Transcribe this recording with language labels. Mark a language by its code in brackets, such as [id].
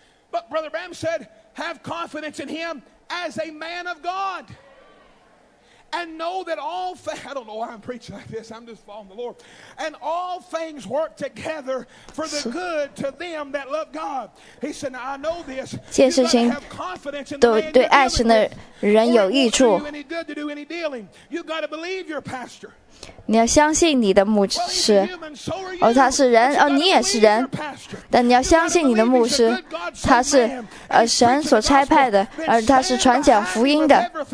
[en] But Brother Bram said, have confidence in him as a man of God. And know that all things, I don't know why I'm preaching like this, I'm just following the Lord. And all things work together for the good to them that love God. He said, now I know this. [zh] 件事情都对爱神的人有益处。 [en] You got to believe your pastor. [zh] 你要相信你的牧师，哦，他是人，哦，你也是人，但你要相信你的牧师，他是神所差派的，而他是传讲福音的。